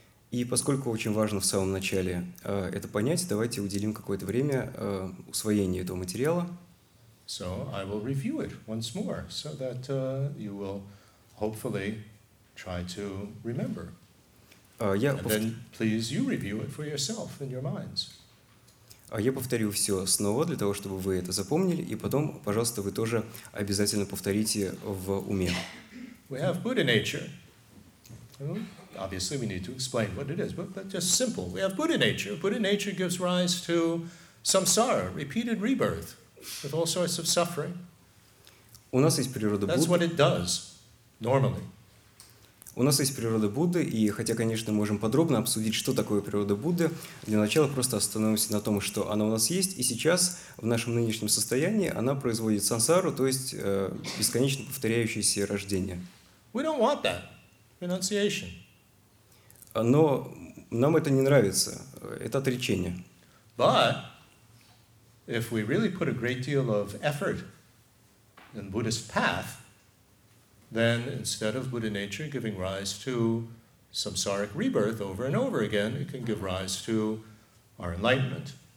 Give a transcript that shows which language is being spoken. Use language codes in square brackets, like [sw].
[ru] И поскольку очень важно в самом начале это понять, давайте уделим какое-то время усвоению этого материала. [en] So I will review it once more, so that you will hopefully try to remember. Then please you review it for yourself in your minds. [ru] Я повторю все снова для того, чтобы вы это запомнили, и потом, пожалуйста, вы тоже обязательно повторите в уме. [en] We have Buddha nature. Obviously, we need to explain what it is, but that's just simple. We have Buddha nature. Buddha nature gives rise to samsara, repeated rebirth, with all sorts of suffering. [ru] У нас есть природа Будды. [en] That's what it does, normally. [ru] У нас есть природа Будды, и хотя, конечно, можем подробно обсудить, что такое природа Будды, для начала просто остановимся на том, что она у нас есть, и сейчас, в нашем нынешнем состоянии, она производит сансару, то есть бесконечно повторяющееся рождение. [en] We don't want that. Renunciation. [ru] Но нам это не нравится. Это отречение. [en] But if we really put a great deal of effort in Buddhist path, then instead of Buddha nature giving rise to samsaric rebirth over and over again, it can give rise to our enlightenment.